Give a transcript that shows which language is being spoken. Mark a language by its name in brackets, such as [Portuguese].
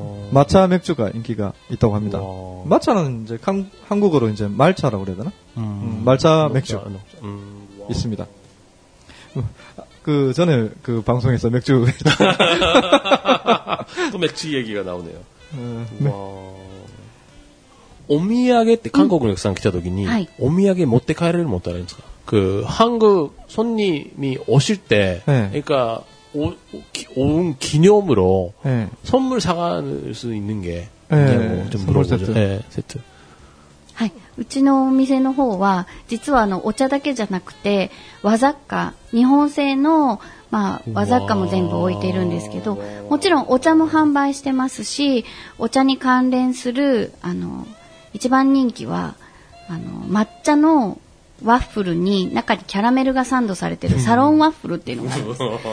[Korean] 마차맥주가인기가있다고합니다마차는이제한국어로이제말차라고해야되나말차맥주있습니다그전에그방송에서맥주 또맥주얘기가나오네요와 [Japanese] お土産って韓国のお客さん来た時に、うん、お土産持って帰れるもんってあるんですか。 [Korean] 그한국손님이오실때、네、그러니까 오온기념으로、네、선물사갈수있는게、 네、좀물어보죠선물 세트、네、세트 [Japanese] はい、うちのお店の方は実はお茶だけじゃなくて和雑貨、日本製の、まあ、和雑貨も全部置いているんですけど、もちろんお茶も販売してますし、お茶に関連する一番人気は抹茶のワッフルに中にキャラメルがサンドされているサロンワッフルっていうのがあります。